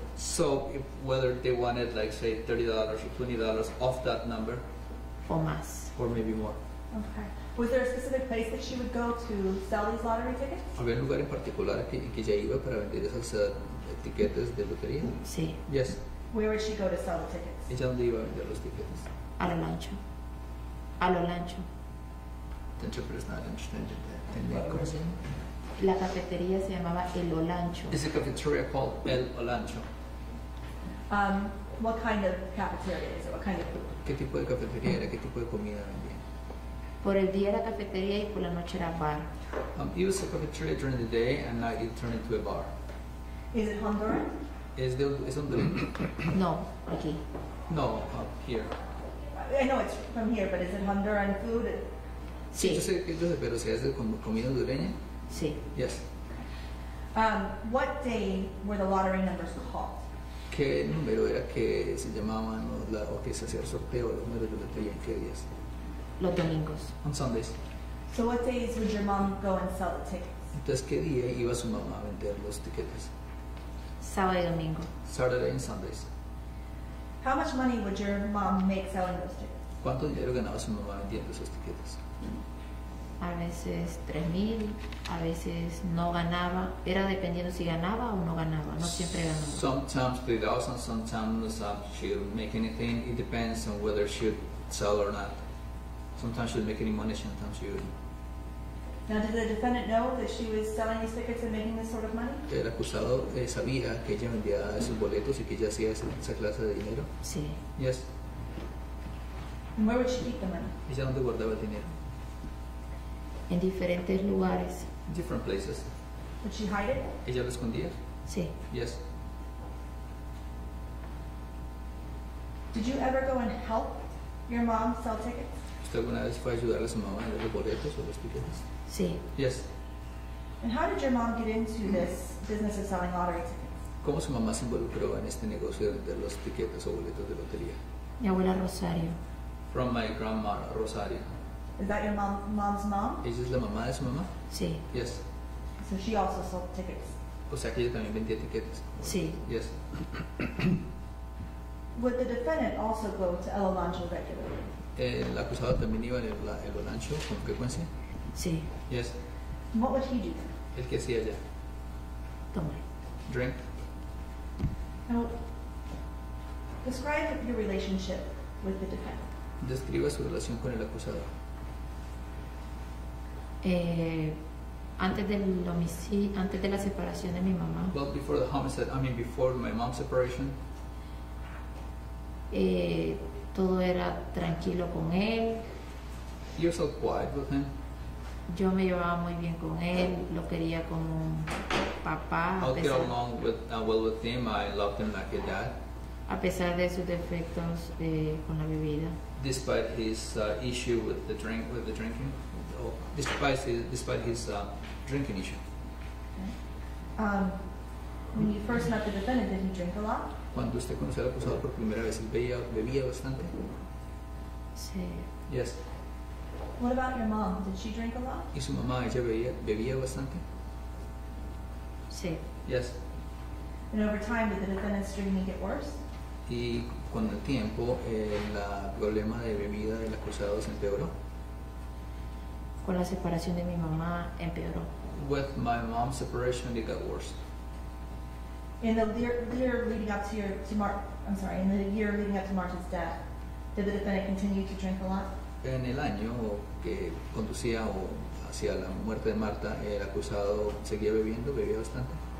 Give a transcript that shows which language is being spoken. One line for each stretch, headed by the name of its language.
English: So if, whether they wanted like say $30 or $20 of that number.
Spanish: O más.
English: Or maybe more. Okay. Was there a specific place that she would go to sell these lottery tickets?
Spanish: Había un lugar en particular que ella iba para vender esas tiquetes de lotería. Sí.
English: Yes. Where would she go to sell the tickets?
Spanish: Ella donde iba a vender los tiquetes. A lo lancho. A lo lancho.
English: The interpreter is not interested in that.
Spanish: La cafetería se llamaba El Olancho.
English: Is a cafeteria called El Olancho? What kind of cafeteria is it? What kind of food?
Spanish: ¿Qué tipo de cafetería era? ¿Qué tipo de comida vendía? Por el día era cafetería y por la noche era bar.
English: It was a cafeteria during the day and now it turned into a bar. Is it Honduran?
Spanish: Es de es Honduran. No, aquí.
English: No, up here. I know it's from here, but is it Honduran food?
Spanish: Sí. Yo sé, pero si es de comida hondureña. Sí.
English: Yes. What day were the lottery numbers called?
Spanish: ¿Qué número era que se llamaban o que se hacía el sorteo, los números de lotería, en qué días? Los domingos.
English: On Sundays. So what days would your mom go and sell the tickets?
Spanish: Entonces, ¿qué día iba su mamá a vender los tiquetes? Sábado y domingo.
English: Saturday and Sundays. How much money would your mom make selling those tickets?
Spanish: ¿Cuánto dinero ganaba su mamá vendiendo esos tiquetes? A veces 3,000, a veces no ganaba. Era dependiendo si ganaba o no ganaba. No siempre ganaba.
English: Sometimes 3,000, sometimes she would make anything. It depends on whether she would sell or not. Sometimes she would make any money, sometimes she wouldn't. Now, did the defendant know that she was selling these tickets and making this sort of money?
Spanish: El acusado sabía que ella vendía esos boletos y que ella hacía esa clase de dinero. Sí.
English: Yes. And where would she keep the money?
Spanish: ¿Ella dónde guardaba el dinero? En diferentes lugares.
English: Different places. Would she hide it?
Spanish: ¿Ella lo escondía? Sí.
English: Yes. Did you ever go and help your mom sell tickets?
Spanish: ¿Usted alguna vez fue a ayudar a su mamá a vender los boletos o los tickets? Sí.
English: Yes. And how did your mom get into this business of selling lottery tickets?
Spanish: ¿Cómo su mamá se involucró en este negocio de vender los tiquetes o boletos de lotería? Mi abuela Rosario.
English: From my grandma Rosario. Is that your mom's mom?
Spanish: ¿Es la mamá de su mamá? Sí.
English: Yes. So she also sold tickets.
Spanish: O sea, que ella también vendía tiquetes. Sí.
English: Yes. Would the defendant also go to El Olancho regularly?
Spanish: ¿El acusado también iba a El Olancho con frecuencia? Sí.
English: Yes. What would he do?
Spanish: ¿El qué hacía allá? Tomar.
English: Drink. Now, describe your relationship with the defendant.
Spanish: Describa su relación con el acusado. Antes del homicidio, antes de la separación de mi mamá.
English: Well, before the homicide, I mean before my mom's separation.
Spanish: Todo era tranquilo con él.
English: You're so quiet with him.
Spanish: Yo me llevaba muy bien con él, lo quería como papá.
English: I'll get along well with him. I loved him like a dad.
Spanish: A pesar de sus defectos con la bebida.
English: Despite his issue with the drink, with the drinking. Despite his drinking issue. Okay. When you first met the defendant, did he drink a lot?
Spanish: Cuando usted conoció al acusado por primera vez, bebía bastante. Sí.
English: Yes. What about your mom? Did she drink a lot?
Spanish: ¿Y su mamá, ella bebía bastante? Sí.
English: Yes. And over time, did the defendant's drinking get worse?
Spanish: Y con el tiempo, el problema de bebida del acusado se empeoró. Con la separación de mi mamá empeoró.
English: With my mom's separation, it got worse. In the year leading up to your Martha's death, did the defendant continue to drink a lot?
Spanish: En el año que conducía o hacia la muerte de Marta, el acusado seguía bebiendo, bebía bastante.